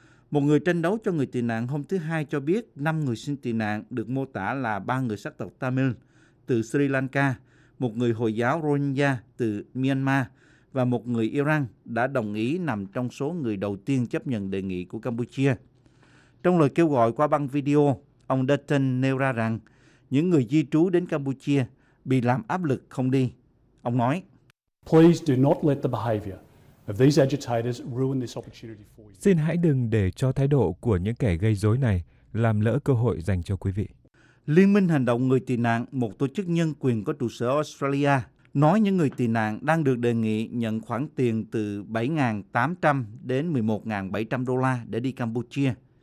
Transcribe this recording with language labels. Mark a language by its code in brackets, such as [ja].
[vi] Một người tranh đấu cho người tị nạn hôm thứ Hai cho biết 5 người xin tị nạn được mô tả là 3 người sắc tộc Tamil từ Sri Lanka, một người Hồi giáo Rohingya từ Myanmar và một người Iran đã đồng ý nằm trong số người đầu tiên chấp nhận đề nghị của Campuchia. Trong lời kêu gọi qua băng video, ông Dutton nêu ra rằng những người di trú đến Campuchia bị làm áp lực không đi. Ông nói: [en] "Please do not let the behavior of these agitators ruin this opportunity for you." [vi] Xin hãy đừng để cho thái độ của những kẻ gây rối này làm lỡ cơ hội dành cho quý vị. Liên minh hành động người tị nạn, một tổ chức nhân quyền có trụ sở ở Australia, nói những người tị nạn đang được đề nghị nhận khoản tiền từ 7.800 đến 11.700 đô la để đi Campuchia.